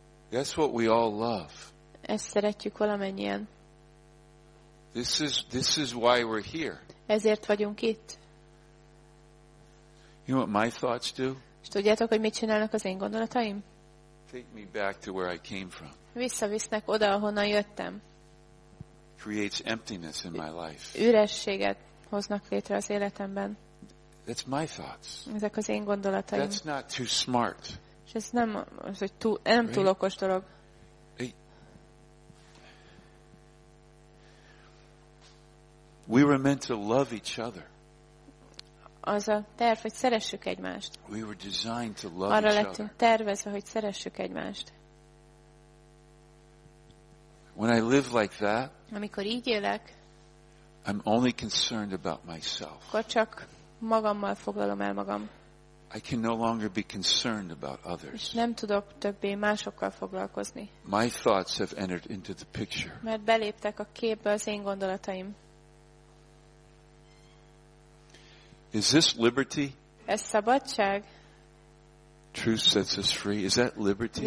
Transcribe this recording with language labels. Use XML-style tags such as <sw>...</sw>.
<en>That's what we all love.</en> <hu>Ezt szeretjük valamennyien.</hu> <en>This is why we're here.</en> <hu>Ezért vagyunk itt.</hu> <en>You know what my thoughts do?</en> <hu>Tudjátok, hogy mit csinálnak az én gondolataim?</hu> <en>Take me back to where I came from.</en> <hu>Visszavisznek oda, ahonnan jöttem.</hu> <en>Creates emptiness in my life.</en> <hu>Ürességet hoznak létre az életemben.</hu> <en>That's my thoughts.</en> <hu>Ezek az én gondolataim.</hu> <en>That's not too smart.</en> <hu>És ez nem az, hogy nem túl okos dolog.</hu> <en>We were meant to love each other.</en> <hu>Az a terv, hogy szeressük egymást.</hu> <en>We were designed to love each other.</en> <hu>Arra lettünk tervezve, hogy szeressük egymást.</hu> <en>When I live like that,</en> <hu>amikor így élek,</hu> <en>I'm only concerned about myself.</en> <hu>Akkor csak magammal foglalom el magam.</hu> <en>I can no longer be concerned about others.</en> <hu>Nem tudok többé másokkal foglalkozni.</hu> <en>My thoughts have entered into the picture.</en> <hu>Mert beléptek a képbe az én gondolataim.</hu> <en>Is this liberty?</en> <hu>Ez szabadság?</hu> <en>Truth sets us free. Is that liberty?</en>